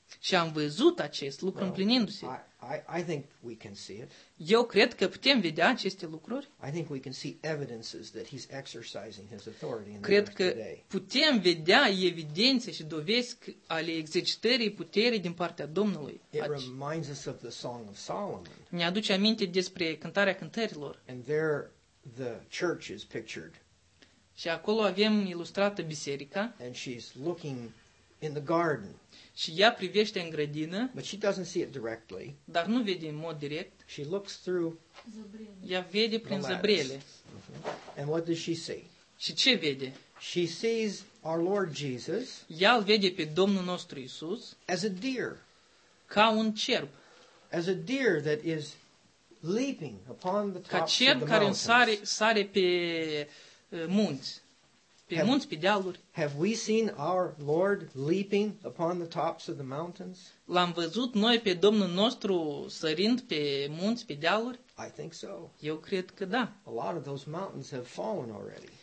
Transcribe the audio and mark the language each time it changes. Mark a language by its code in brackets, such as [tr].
[ro] Și am văzut acest lucru împlinindu-se. [en] I think we can see it. [ro] Eu cred că putem vedea aceste lucruri. [en] I think we can see evidences that he's exercising his authority in the earth today. [ro] Cred că putem vedea evidențe și dovezi ale exercitării puterii din partea Domnului. [en] It reminds us of the Song of Solomon. [ro] Ne aduce aminte despre Cântarea Cântărilor. [en] And there the church is pictured. [ro] Și acolo avem ilustrată biserica. [en] And she's looking in the garden. [ro] Și ea privește în grădină. [en] But she doesn't see it directly. [ro] Dar nu vede în mod direct. [en] She looks through [ro] zăbrele. Ea vede prin zăbrele. [en] Mm-hmm. And what does she see? [ro] Și ce vede? [en] She sees our Lord Jesus. [ro] Ea îl vede pe Domnul nostru Iisus. [en] As a deer. [ro] Ca un cerb. [en] As a deer that is leaping upon the tops of the mountains. [ro] Ca cerb care sare pe munți. [en] Have we seen our Lord leaping upon the tops of the mountains? [ro] L-am văzut noi pe Domnul nostru sărind pe munți, pe dealuri? [en] I think so. [ro] Eu cred că da. [en] A lot of those mountains have fallen already.